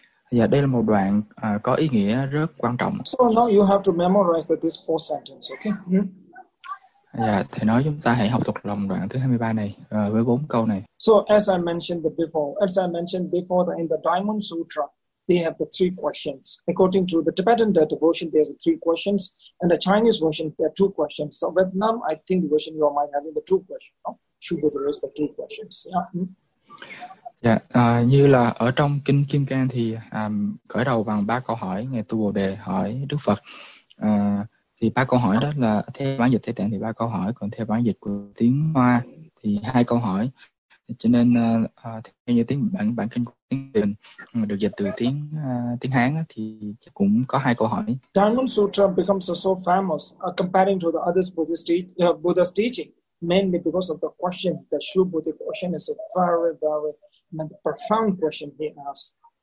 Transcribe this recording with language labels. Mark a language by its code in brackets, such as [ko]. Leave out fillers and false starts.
[vi] Dạ, đây là một đoạn có ý nghĩa rất quan trọng. [en] So now you have to memorize this four sentence, okay? [vi] Dạ, thầy nói chúng ta hãy học thuộc lòng đoạn thứ 23 này với bốn câu này. [en] So as I mentioned before, in the Diamond Sutra, they have the three questions. According to the Tibetan version, there's three questions, and the Chinese version, there are two questions. So Vietnam, I think the version you might have in the two questions, no? Should be the rest of two questions. [vi] Dạ, như là ở trong kinh Kim Cang thì khởi đầu bằng ba câu hỏi, ngài Tu Bồ Đề hỏi Đức Phật. Thì ba câu hỏi đó là theo bản dịch Tây Tạng thì ba câu hỏi, còn theo bản dịch của tiếng Hoa thì hai câu hỏi. Cho nên theo như tiếng bản kinh của tiếng Việt được dịch từ tiếng tiếng Hán thì cũng có hai câu hỏi. [en] Diamond Sutra becomes so famous comparing to the other Buddha's teaching, mainly because of the question, the Shubhuti question is a very very profound question he asked.